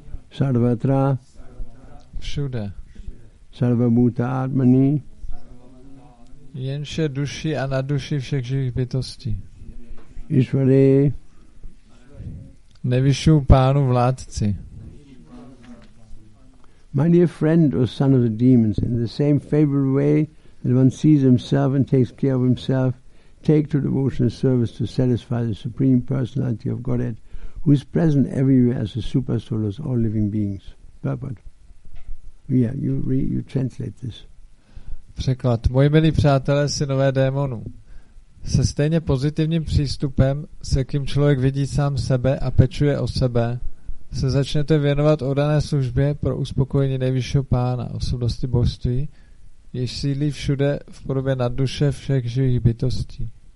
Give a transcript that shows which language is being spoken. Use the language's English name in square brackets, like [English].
[Sanskrit] Sarvatra. [Czech] Všude. [Sanskrit] Sarvabhutatmani. [Czech] Jenže duši a na duši všech živých bytostí. [Sanskrit] Ishvare. [Czech] Nejvyššímu pánu vládci. [English] My dear friend, O son of the demons, in the same favorable way that one sees himself and takes care of himself, take to devotional service to satisfy the Supreme Personality of Godhead, who is present everywhere as the Super Soul of all living beings. Prabhupada. Yeah, you translate this. [Czech] Překlad. Moji milí přátelé, synové démonů. Se stejně pozitivním přístupem, se kým člověk vidí sám sebe a pečuje o sebe, se začnete věnovat oddané službě pro uspokojení nejvyššího pána, osobnosti božství, jež sídlí všude v podobě nadduše všech živých bytostí.